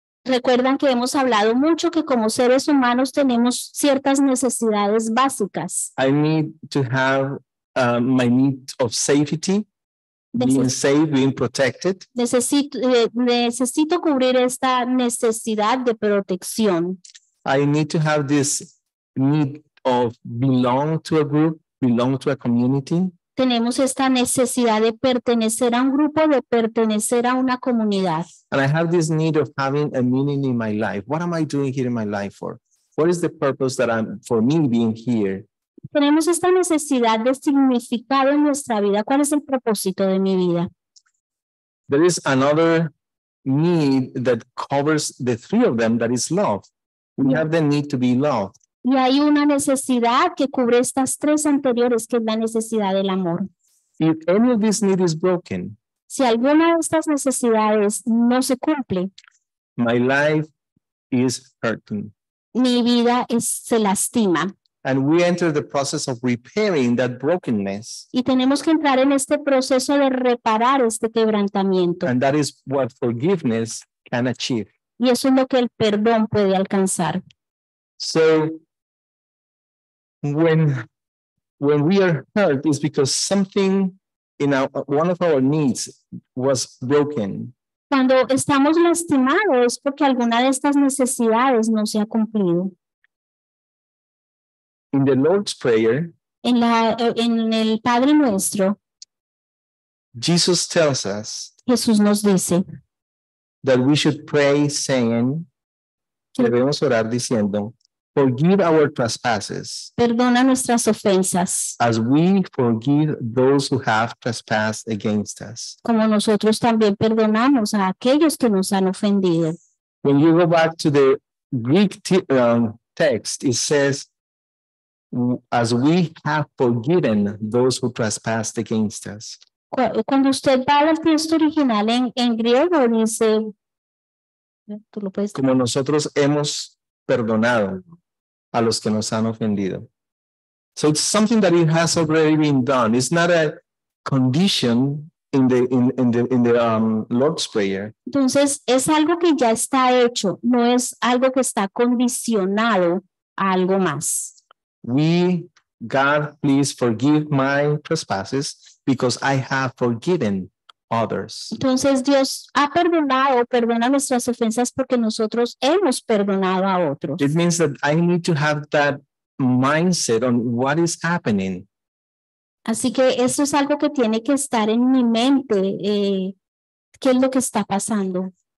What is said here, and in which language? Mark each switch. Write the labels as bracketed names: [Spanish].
[Spanish] Recuerdan que hemos hablado mucho que como seres humanos tenemos ciertas necesidades básicas. [English] I need to have my need of safety, being safe, being protected. [Spanish] Necesito cubrir esta necesidad de protección. [English] I need to have this need of belong to a group, belong to a community. [Spanish] Tenemos esta necesidad de pertenecer a un grupo, de pertenecer a una comunidad. [English] And I have this need of having a meaning in my life. What am I doing here in my life for? What is the purpose that I'm for me being here? [Spanish] Tenemos esta necesidad de significado en nuestra vida. ¿Cuál es el propósito de mi vida? [English] There is another need that covers the three of them, that is love. We have the need to be loved. [Spanish] Y hay una necesidad que cubre estas tres anteriores, que es la necesidad del amor. [English] If any of this need is broken, [Spanish] si alguna de estas necesidades no se cumple, [English] my life is hurting. [Spanish] Mi vida se lastima. [English] And we enter the process of repairing that brokenness. [Spanish] Y tenemos que entrar en este proceso de reparar este quebrantamiento. [English] And that is what forgiveness can achieve. [Spanish] Y eso es lo que el perdón puede alcanzar. [English] So, when we are hurt, it's because something in our, one of our needs was broken. [Spanish] Cuando estamos lastimados, es porque alguna de estas necesidades no se ha cumplido. [English] In the Lord's Prayer, [Spanish] en el Padre Nuestro, [English] Jesus tells us, [Spanish] Jesús nos dice, [English] that we should pray saying, [Spanish] que debemos orar diciendo, [English] forgive our trespasses. [Spanish] Perdona nuestras ofensas. [English] As we forgive those who have trespassed against us. [Spanish] Como nosotros también perdonamos a aquellos que nos han ofendido. [English] When you go back to the Greek text, it says, as we have forgiven those who trespassed against us. [Spanish] Cuando usted va al texto original en griego, dice, ¿tú lo puedes? Como nosotros hemos perdonado a los que nos han ofendido. [English] So it's something that it has already been done. It's not a condition in the Lord's Prayer. [Spanish] Entonces es algo que ya está hecho. No es algo que está condicionado a algo más. [English] God, please forgive my trespasses because I have forgiven others. [Spanish] Entonces Dios ha perdonado, perdona nuestras ofensas porque nosotros hemos perdonado a otros. [English] It means that I need to have that mindset on what is happening. [Spanish] Así que eso es algo que tiene que estar en mi mente, ¿qué es lo que está pasando?